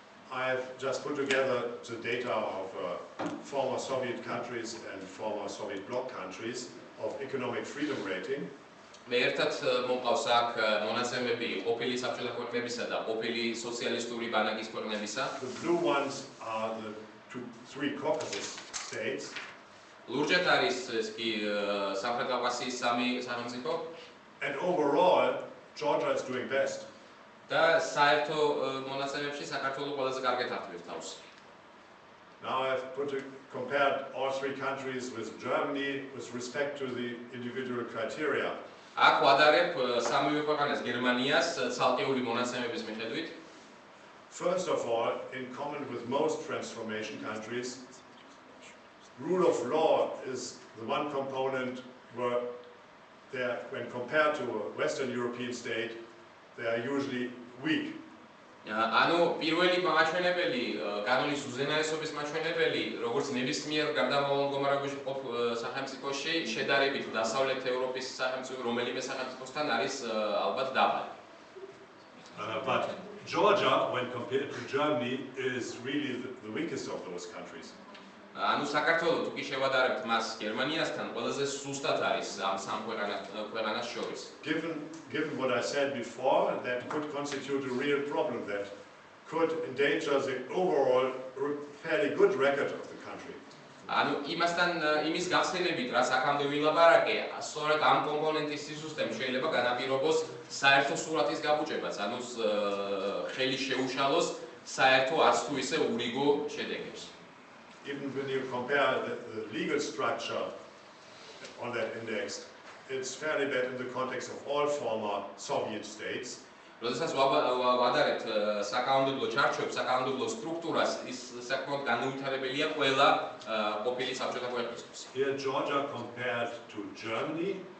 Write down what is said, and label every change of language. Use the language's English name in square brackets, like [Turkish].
[English] I have just put together the data of former Soviet countries and former Soviet bloc countries of economic freedom rating. [Georgian] მე ერთად მომყავს აქ მონაცემები ყოფილი საბჭოთა ქვეყნებისა და ყოფილი სოციალისტური ბანაკის ქვეყნებისა. [English] The blue ones are the two, three Caucasus states. [Georgian] ლურჯად არის ეს კი სამხრეთ კავკასიის სამი სახელმწიფო. [English] And overall, Georgia is doing best. [Georgian] და საერთო მონაცემებში საქართველო ყველაზე კარგად ახდენს თავს. [English] Now I've compared all three countries with Germany with respect to the individual criteria. [Georgian] აქ ვადარებ სამივე ქვეყანას გერმანიას ცალკეული მონაცემების მიხედვით. [English] First of all, in common with most transformation countries, rule of law is the one component where they're, when compared to a Western European state, they are usually weak. [Georgian] ანუ პირველი მაჩვენებელი, კანონის უზენაესობის მაჩვენებელი, როგორც ნებისმიერ გარდამავალ მდგომარეობაში ყოფ სახელმწიფოში შედარებით დასავლეთ ევროპის სახელმწიფო რომელიმე სახელმწიფოსთან არის ალბათ დაბალი. [English] But Georgia, when compared to Germany, is really the weakest of those countries. [Georgian] ანუ საქართველო თუ კი შევადარებთ მას გერმანიასთან, ყველაზე სუსტად არის ამ სამ ქვეყანას შორის. [English] Given what I said before, that could constitute a real problem that could endanger the overall fairly good record of the country. [Georgian] ანუ იმასთან იმის გახსენებით, რაც აქამდე ვილაპარაკე, სწორედ ამ კომპონენტის სისტემ შეიძლება განაპირობოს საერთო სურათის გაბუჭებას, ანუ ხელი შეუშალოს საერთო არც თუ ისე ურიგო შედეგებს. [English] Even when you compare the legal structure on that index, it's fairly bad in the context of all former Soviet states. [Georgian] როდესაც ვადარებთ საკანონმდებლო ჩარჩოებს, საკანონმდებლო სტრუქტურას, ის საკმაოდ განუვითარებელია ყველა ყოფილი საბჭოთა ქვეყნებისთვის. [English] Here Georgia compared to Germany,